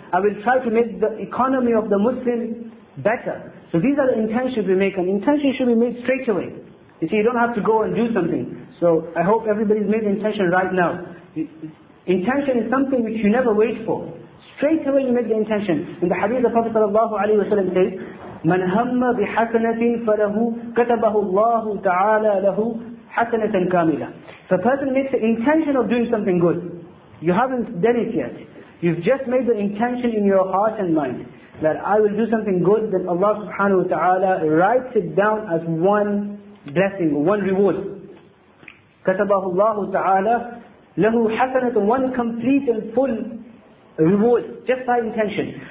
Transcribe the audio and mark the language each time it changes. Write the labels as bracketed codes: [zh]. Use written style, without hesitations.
[en] I will try to make the economy of the Muslim better. So these are the intentions we make, and intention should be made straight away. You see, you don't have to go and do something. So I hope everybody's made the intention right now. Intention is something which you never wait for. Straight away you make the intention. In the hadith, the Prophet [ar] sallallahu alaihi wasallam says, مَنْ هَمَّ بِحَسَنَةٍ فَلَهُ كَتَبَهُ اللَّهُ تَعَالَى لَهُ حَسَنَةً كَامِلًا. [en] So a person makes the intention of doing something good. You haven't done it yet. You've just made the intention in your heart and mind that I will do something good, then Allah subhanahu wa ta'ala writes it down as one blessing, one reward. [ar] كَتَبَهُ اللَّهُ تَعَالَى لَهُ حَسَنَةً, [en] one complete and full reward, just by intention.